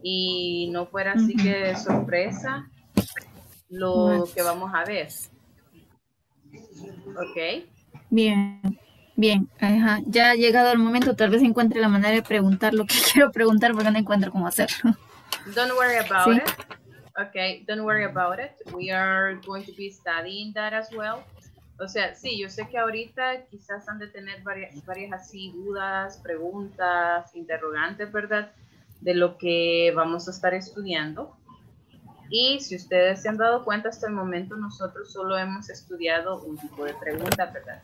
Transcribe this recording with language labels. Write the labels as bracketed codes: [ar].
[es] Y no fuera así que de sorpresa lo que vamos a ver. ¿Ok? Bien. Ajá. Ya ha llegado el momento, tal vez encuentre la manera de preguntar lo que quiero preguntar, porque no encuentro cómo hacerlo. [en] Don't worry about it. Okay, don't worry about it. We are going to be studying that as well. [es] O sea, sí, yo sé que ahorita quizás han de tener varias así dudas, preguntas, interrogantes, ¿verdad? De lo que vamos a estar estudiando. Y si ustedes se han dado cuenta, hasta el momento nosotros solo hemos estudiado un tipo de pregunta, ¿verdad?